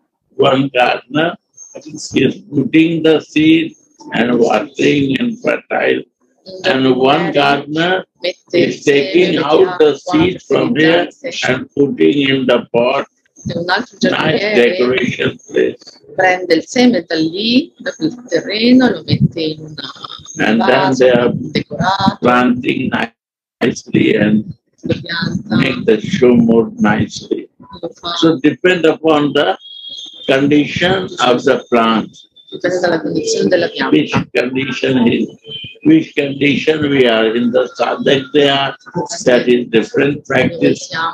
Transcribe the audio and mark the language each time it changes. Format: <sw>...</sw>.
<en>One gardener is putting the seed and watering and fertile. And one gardener is taking out the seed from here and putting in the pot.</en> <it>Un altro giardiniere prende il seme da lì, da quel terreno, lo mette in un vaso decorato,</it> <en>planting nicely and make the show more nicely. So depend upon the condition of the plant.</en> <it>Dipende dalla condizione della pianta.</it> <en>Which condition is, which condition we are in the sadhak deha, that is different practice.</en>